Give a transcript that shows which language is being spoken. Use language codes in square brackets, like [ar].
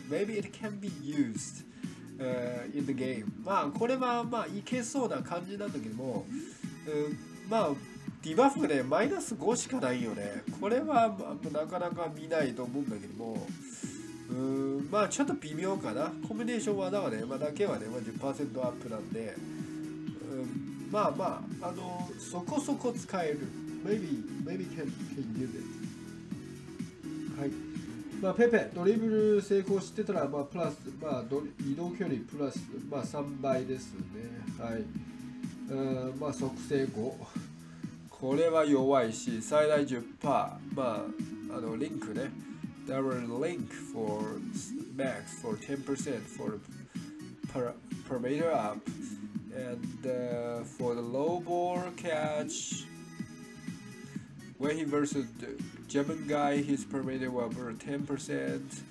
[en] Maybe it can be used in the game. [ja] まあこれはまあいけそうな感じなんだけども、まあ。ディバフね、マイナス5しかないよね。これは、まあ、なかなか見ないと思うんだけども、まあちょっと微妙かな。コンビネーション技はね、まあ、だけはね、まあ、10% アップなんで、まあまあ、そこそこ使える。 [en] Maybe can use it。 [ja] はい。まあ、ペペ、ドリブル成功してたら、まあ、プラス、まあ、移動距離プラス、まあ、3倍ですね。はい。まあ、即成功。これは弱いし、最大 10%、まあ、リンクね。 [en] There were link for max for 10% for per meter up. And for the low ball catch, when he versus the German guy, his per meter will be 10%.